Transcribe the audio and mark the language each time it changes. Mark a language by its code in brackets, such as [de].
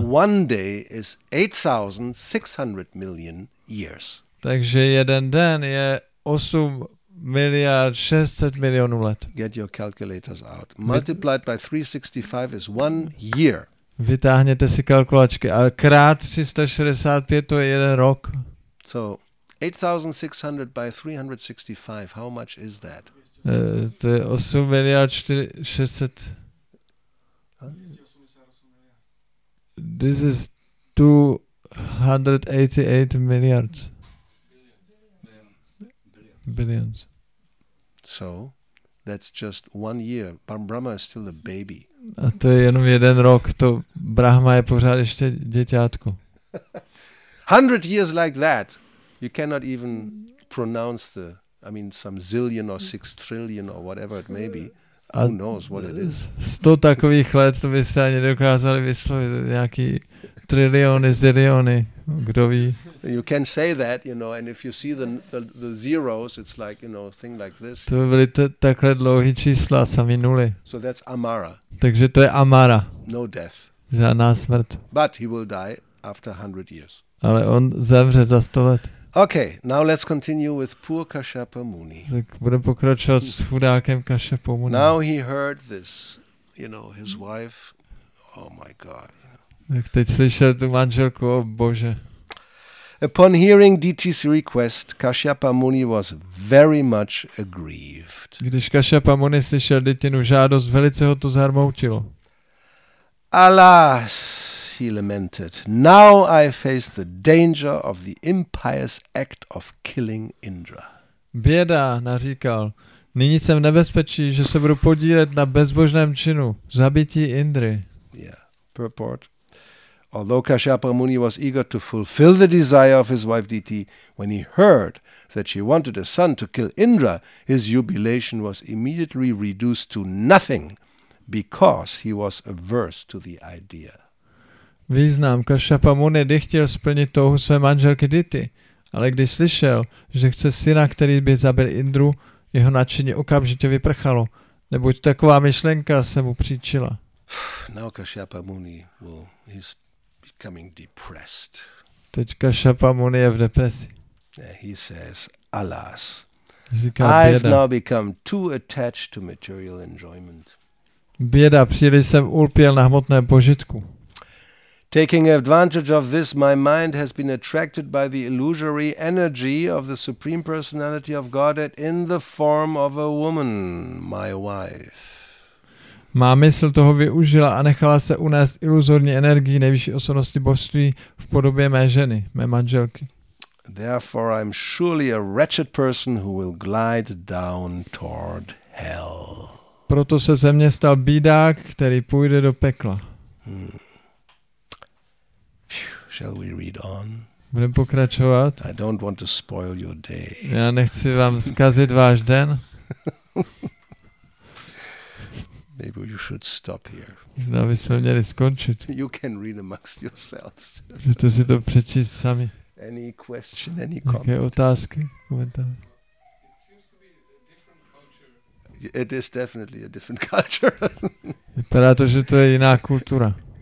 [en] So one day is 8,600 million years. [cs] Takže jeden den je 8,600,000,000 let. [en] Get your calculators out. Multiplied by 365 is one year. [cs] Vytáhněte si kalkulačky. A krát 365 to je jeden rok. [en] So 8,600 by 365, how much is that? [cs] To je 8,600,000,000. [en] This is 288 billion. Billions. So, that's just one year. Brahma is still a baby. [cs] A to je jenom jeden rok. To Brahma je pořád ještě děťátko. [en] 100 years like that, you cannot even pronounce the. I mean some zillion or six trillion or whatever it may be. Who knows what it is. [cs] 100 takových let, to byste ani dokázali vyslovit nějaký triliony, ziliony, kdo ví. [en] You can say that, you know, and if you see the zeros, it's like, you know, thing like this. [cs] To by byly takhle dlouhé čísla, sami nuly. [en] So that's Amara. [cs] Takže to je Amara. [en] No death. [cs] Žádná smrt. [en] But he will die after 100 years. [cs] Ale on zemře za 100 let. [en] Okay, now let's continue with poor Kashyapa Muni. [cs] Tak budeme pokračovat s chudákem Kashyapa Muni. [en] Now he heard this, you know, his wife. Oh my God. [cs] Tak teď slyšel tu manželku, oh bože. [en] Upon hearing DT's request, Kashyapa Muni was very much aggrieved. [cs] Když Kashyapa Muni slyšel Ditinu žádost, velice ho to zarmoutilo. [en] Alas, he lamented, now I face the danger of the impious act of killing Indra. [cs] Běda, naříkal, nyní jsem v nebezpečí, že se budu podílet na bezbožném činu, zabití Indry. [en] Yeah, purport. Although Kashyapa Muni was eager to fulfill the desire of his wife Diti, when he heard that she wanted a son to kill Indra, his jubilation was immediately reduced to nothing because he was averse to the idea. [cs] Význam, Kashyapa Muni nechtěl splnit touhu své manželky Diti, ale když slyšel, že chce syna, který by zabil Indru, jeho nadšení okamžitě vyprchalo, neboť taková myšlenka se mu příčila. [en] Now Kashyapa Muni will his coming depressed. [cs] Teď Kashyapa Muni je v depresi. [en] He says, alas, [cs] říká, [en] I've now become too attached to material enjoyment. [cs] Běda, příliš jsem ulpěl na hmotné požitku. [en] Taking advantage of this, my mind has been attracted by the illusory energy of the Supreme Personality of Godhead in the form of a woman, my wife. [cs] Má mysl toho využila a nechala se unést iluzorní energii nejvyšší osobnosti božství v podobě mé ženy, mé manželky. [en] Therefore I'm surely a wretched person who will glide down toward hell. [cs] Proto se ze mě stal bídák, který půjde do pekla. [en] Shall we read on? [cs] Budeme pokračovat? [en] I don't want to spoil your day. [cs] Já nechci vám zkazit váš den. [en] Maybe you should stop here. [cs] No, my jsme měli skončit. [en] You can read amongst yourselves. [cs] Můžete si to přečíst sami. [en] Any question, any comment? [cs] Jaké otázky, komentáře? [en] It seems to be a different culture. It is definitely a different culture. [cs] Vypadá to, že to je jiná kultura.